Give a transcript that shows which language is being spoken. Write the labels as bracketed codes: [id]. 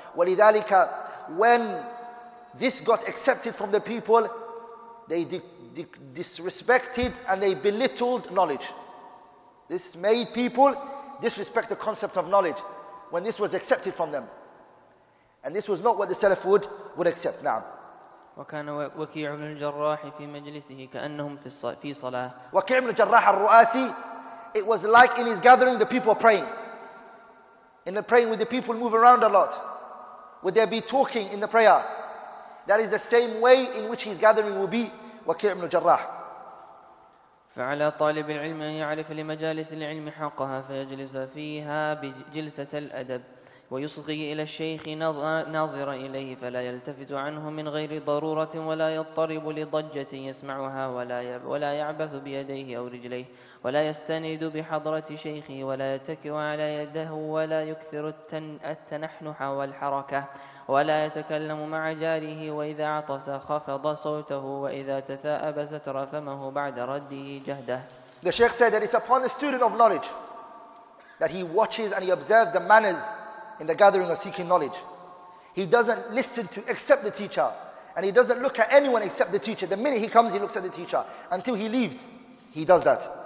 [ar] ولذلك, [en] when this got accepted from the people, they disrespected and they belittled knowledge. This made people disrespect the concept of knowledge when this was accepted from them, and this was not what the Salaf would accept. Now, [ar] وكان وكيع بن الجراح في مجلسه كأنهم في صلاة. [en] وكيع بن الجراح الرؤاسي, it was like in his gathering the people praying. In the praying, with the people move around a lot, would there be talking in the prayer? That is the same way in which his gathering will be. [ar] وكيع بن الجراح. فعلى طالب العلم أن يعرف لمجالس العلم حقها فيجلس فيها بجلسة الأدب ويصغي إلى الشيخ ناظرا إليه فلا يلتفت عنه من غير ضرورة ولا يضطرب لضجة يسمعها ولا يعبث بيديه أو رجليه ولا يستند بحضرة شيخه ولا يتكئ على يده ولا يكثر التنحنح والحركة ولا يتكلم مع جاره وإذا عطس خفض صوته وإذا تثاءب ستر فمه بعد رده جهده. [en] The Sheikh said that it's upon the student of knowledge that he watches and he observes the manners in the gathering of seeking knowledge. He doesn't listen to except the teacher, and he doesn't look at anyone except the teacher. The minute he comes, he looks at the teacher. Until he leaves, he does that.